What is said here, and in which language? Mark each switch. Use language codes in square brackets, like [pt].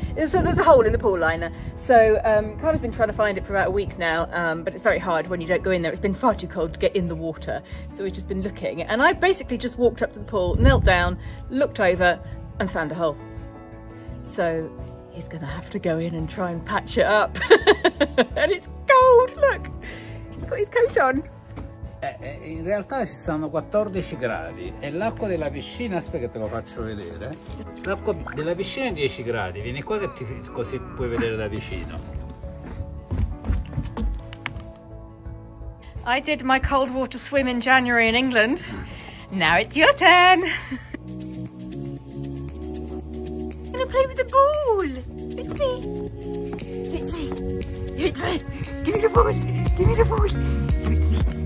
[en] So there's a hole in the pool liner. So Carl's been trying to find it for about a week now, but it's very hard when you don't go in there. It's been far too cold to get in the water. So we've just been looking. And I basically just walked up to the pool, knelt down, looked over, and found a hole. So he's gonna have to go in and try and patch it up. And it's cold, look. He's got his coat on. [it] In realtà ci stanno 14 gradi e l'acqua della piscina, aspetta che te lo faccio vedere, l'acqua della piscina è 10 gradi, vieni qua che ti, così puoi vedere da vicino. [en] I did my cold water swim in January in England, now it's your turn. I'm gonna play with the ball, literally, give me the ball, give it to me.